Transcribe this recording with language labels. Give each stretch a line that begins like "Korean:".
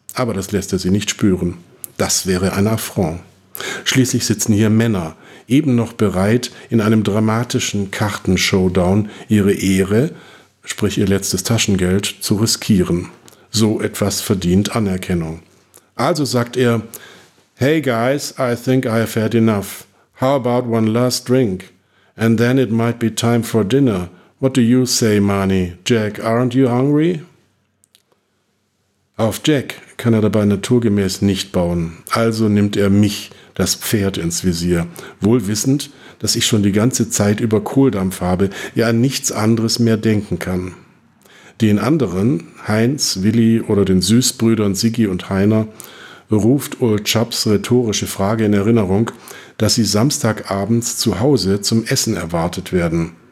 German: Aber das lässt er sie nicht spüren. Das wäre ein Affront. Schließlich sitzen hier Männer, eben noch bereit, in einem dramatischen Kartenshowdown ihre Ehre, sprich ihr letztes Taschengeld, zu riskieren. So etwas verdient Anerkennung. Also sagt er,
English: "Hey guys, I think I've had enough. How about one last drink? And then it might be time for dinner. What do you say, Marnie? Jack, aren't you hungry?"
German: Auf Jack kann er dabei naturgemäß nicht bauen. Also nimmt er mich, das Pferd, ins Visier. Wohl wissend, dass ich schon die ganze Zeit über Kohldampf habe, ja an nichts anderes mehr denken kann. Den anderen, Heinz, Willi oder den Süßbrüdern Siggi und Heiner, ruft Old Chubs rhetorische Frage in Erinnerung, dass sie samstagabends zu Hause zum Essen erwartet werden.